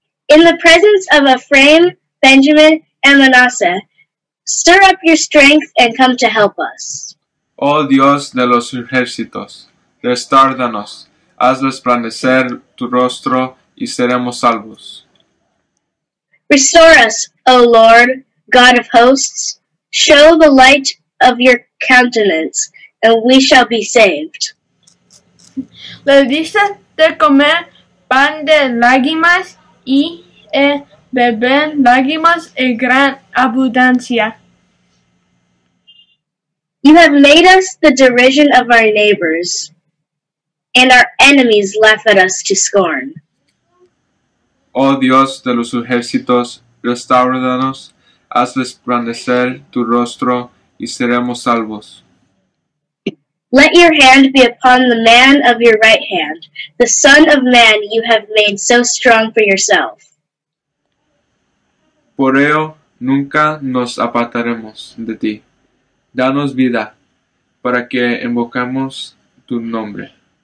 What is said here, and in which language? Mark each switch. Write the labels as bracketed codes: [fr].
[en] In the presence of Ephraim, Benjamin, and Manasseh, stir up your strength and come to help us. [es] Oh Dios de los ejércitos, restárdanos, haz resplandecer tu rostro y seremos salvos. [en] Restore us, O Lord, God of hosts, show the light of your countenance, and we shall be saved. [es] Le diste de comer pan de lágrimas y beber lágrimas en gran abundancia. [en] You have made us the derision of our neighbors, and our enemies laugh at us to scorn. [es] Oh Dios de los ejércitos, restáuranos, haz resplandecer tu rostro y seremos salvos. [en] Let your hand be upon the man of your right hand, the son of man you have made so strong for yourself. [es] Por ello, nunca nos apartaremos de ti. Danos vida para que invocamos tu nombre.